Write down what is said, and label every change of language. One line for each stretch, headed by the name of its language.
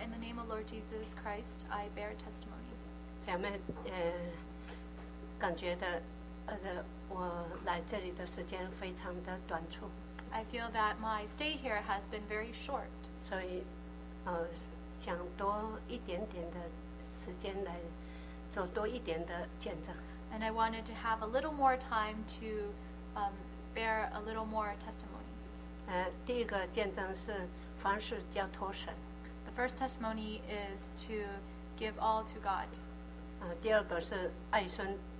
English: In the name of Lord Jesus Christ, I bear testimony.
Chinese: 姐妹，感觉的，我来这里的时间非常的短促。
English: I feel that my stay here has been very short.
Chinese: 所以，想多一点点的时间来做多一点的见证。
English: And I wanted to have a little more time to, bear a little more testimony.
Chinese: 第一个见证是。凡事交托神。
English: The first testimony is to give all to God.
Chinese: 第二个是爱孙。